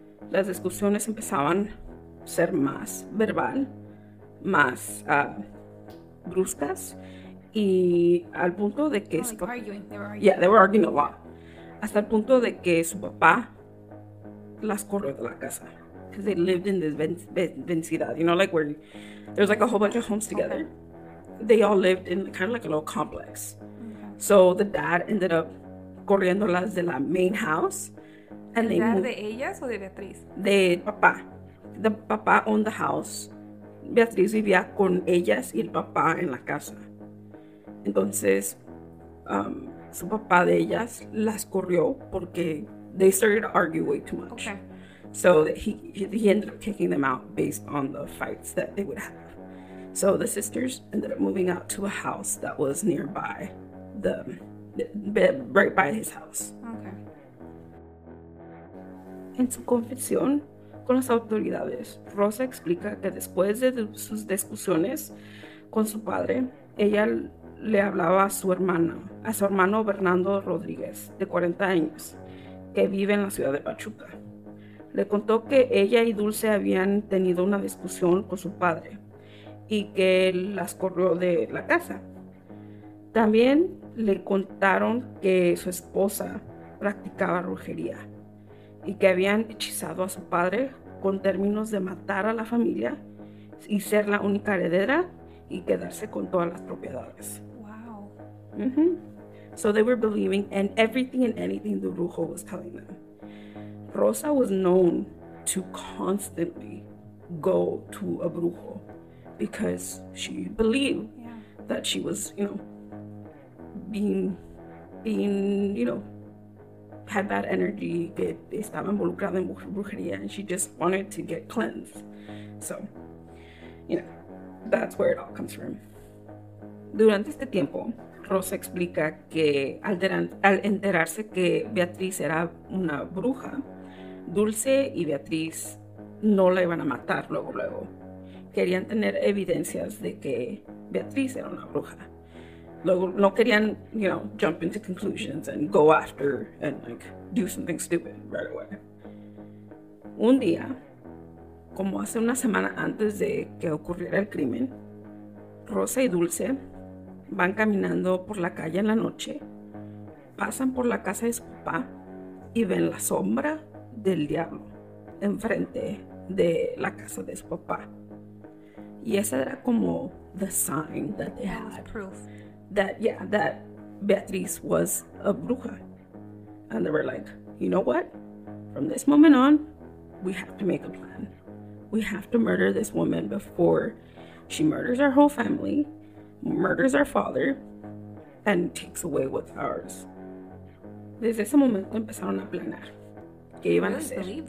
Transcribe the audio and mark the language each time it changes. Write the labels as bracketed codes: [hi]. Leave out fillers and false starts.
[es] Las discusiones empezaban a ser más verbal, más bruscas, y al punto de que [en] they were arguing a lot. [es] Hasta el punto de que su papá las corrió de la casa. [en] Because they lived in this vecindad, you know, like where there's like a whole bunch of homes together. Okay. They all lived in kind of like a little complex. Okay. So the dad ended up [es] corriéndolas de la [en] main house. And they moved. [es] ¿De ellas o de Beatriz? De papá. [en] The papá owned the house. [es] Beatriz vivía con ellas y el papá en la casa. Entonces, su papá de ellas las corrió porque [en] they started to argue way too much. Okay. So he ended up kicking them out based on the fights that they would have. So the sisters ended up moving out to a house that was nearby, right by his house. Okay. [es] En su confesión con las autoridades, Rosa explica que después de sus discusiones con su padre, ella le hablaba a su hermano Bernardo Rodríguez, de 40 años, que vive en la ciudad de Pachuca. Le contó que ella y Dulce habían tenido una discusión con su padre y que él las corrió de la casa. También le contaron que su esposa practicaba brujería y que habían hechizado a su padre con términos de matar a la familia y ser la única heredera y quedarse con todas las propiedades. Mm-hmm. [en] So they were believing in everything and anything the brujo was telling them. Rosa was known to constantly go to a brujo because she believed that she was, you know, being, you know, had bad energy, [es] que estaba involucrada en brujería, [en] and she just wanted to get cleansed. So, you know, that's where it all comes from. [es] Durante este tiempo, Rosa explica que al enterarse que Beatriz era una bruja, Dulce y Beatriz no la iban a matar luego, luego. Querían tener evidencias de que Beatriz era una bruja. Luego, no querían, [en] you know, jump into conclusions and go after and, like, do something stupid right away. [es] Un día, como hace una semana antes de que ocurriera el crimen, Rosa y Dulce van caminando por la calle en la noche, pasan por la casa de su papá y ven la sombra del diablo enfrente de la casa de su papá. Y esa era como [en] the sign that they had. That's proof. That, yeah, that Beatriz was a bruja. And they were like, you know what? From this moment on, we have to make a plan. We have to murder this woman before she murders our whole family, murders our father, and takes away what's ours. [es] Desde ese momento empezaron a planear qué iban a hacer.